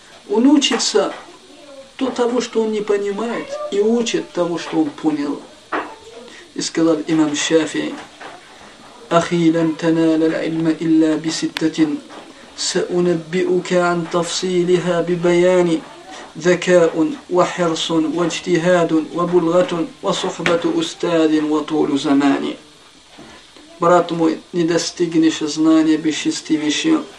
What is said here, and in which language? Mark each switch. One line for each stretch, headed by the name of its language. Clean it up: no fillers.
Russian: Он учится то того, что он не понимает, и учит того, что он понял. И сказал имам Шафии,
Arabic: «Ахи лан танала л'ильма илля би ситтатин, саунаббиука ан тафсилиха би баяни». ذكاء وحرص واجتهاد وبلغة وصحبة أستاذ وطول زمان.
Russian: Брат мой, не достигнешь знания без шести вещей.